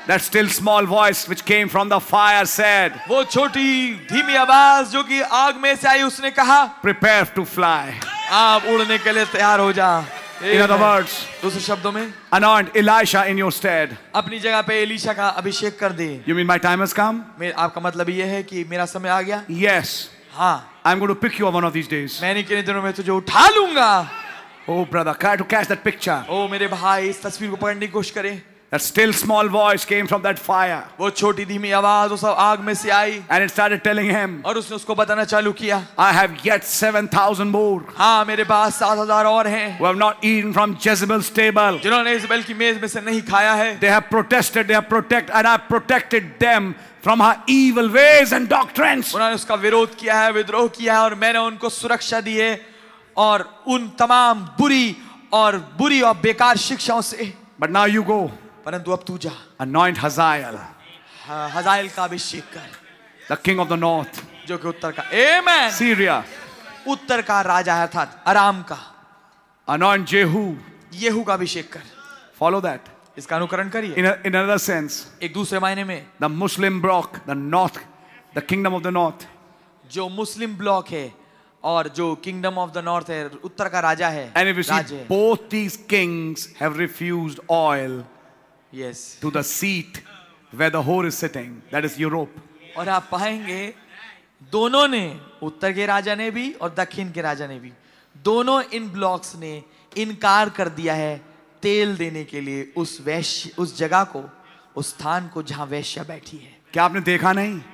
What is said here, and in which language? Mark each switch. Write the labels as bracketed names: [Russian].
[English] That still small voice which came from the fire said. [Hindi] वो छोटी धीमी आवाज जो कि आग में से आई उसने कहा. [English] Prepare to fly. [Hindi] आप उड़ने के लिए तैयार हो जा. [English] In other words. [Hindi] दूसरे शब्दों में. [English] Anoint Elisha in your stead. [Hindi] अपनी जगह पे एलिशा का अभिषेक कर दे. [English] You mean my time has come? [Hindi] आपका मतलब ये है कि मेरा समय आ गया? [English] Yes. [Hindi] हाँ. [English] I'm going to pick you up one of these days. [Hindi] मैंने किन्हीं दिनों में तुझे उठा लूँगा. [English] Oh brother, try to catch that picture. [Hindi] Oh मेरे भाई, इस तस्वीर को पकड़ने की कोशिश करें. [English] That still small voice came from that fire. [Hindi] वो छोटी धीमी आवाज उस आग में से आई. [English] And it started telling him. [Hindi] और उसने उसको बताना चालू किया. [English] I have yet 7,000 more. [Hindi] हाँ, मेरे पास 7,000 और हैं. [English] Who have not eaten from Jezebel's table. [Hindi] जिन्होंने इजबेल की मेज में से नहीं खाया है. [English] They have protested, they have protected, and I have protected them from her evil ways and doctrines. [Hindi] उन्होंने उसका विरोध किया है, विद्रोह किया है, और मैंने उनको सुरक्षा दी है और उन तमाम बुरी और बेकार शिक्षाओं से. [English] But now you go. [Hindi] परंतु अब तू जा. [English] Anoint Hazael. [Hindi] Hazael का अभिषेक कर. [English] The king of the north. [Hindi] जो कि उत्तर का. Amen. [English] Syria. [Hindi] उत्तर का राजा है अर्थात अराम का. [English] Anoint Jehu. [Hindi] येहू का अभिषेक कर. [English] Follow that. [Hindi] इसका अनुकरण करिए. [English] In another sense. [Hindi] एक दूसरे मायने में. [English] The Muslim block, the north, the kingdom of the north. [Hindi] जो मुस्लिम ब्लॉक है और जो [English] kingdom of the north [Hindi] है, उत्तर का राजा है. [English] And if you see, both these kings have refused oil. Yes. To the seat where the whore is sitting. That is Europe. [Hindi] और आप पाएंगे दोनों ने, उत्तर के राजा ने भी और दक्षिण के राजा ने भी, दोनों इन ब्लॉक्स ने इनकार कर दिया है तेल देने के लिए उस वैश्य, उस जगह को, उस स्थान को जहां वैश्य बैठी है. क्या आपने देखा नहीं?